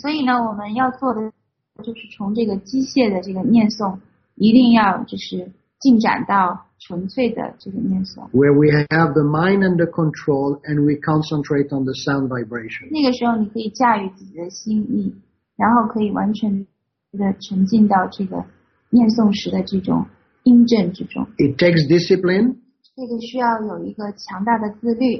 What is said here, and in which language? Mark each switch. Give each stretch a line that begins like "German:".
Chinese: 所以呢，我们要做的就是从这个机械的这个念诵，一定要就是进展到纯粹的这个念诵。
English: Where we have the mind under control and we concentrate on the sound vibration.
Chinese: 那个时候你可以驾驭自己的心意，然后可以完全的沉浸到这个。念诵时的这种音阵之中。
English: It takes discipline.
Chinese: 这个需要有一个强大的自律。